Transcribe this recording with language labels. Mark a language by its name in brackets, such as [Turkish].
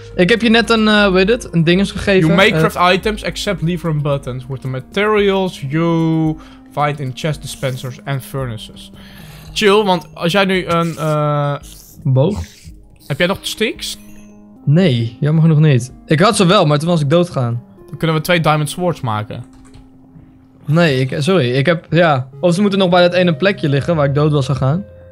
[Dutch] Ik heb je net een, een dinges gegeven. [English] You may craft items except levers and buttons with the materials you find in chest dispensers and furnaces. [Dutch] Chill, want als jij nu een, boog? Heb jij nog sticks? Nee, jammer genoeg niet. Ik had ze wel, maar toen was ik doodgaan. Dan kunnen we 2 diamond swords maken. Nee, ik heb, ja. Of ze moeten nog bij dat ene plekje liggen waar ik dood was gegaan.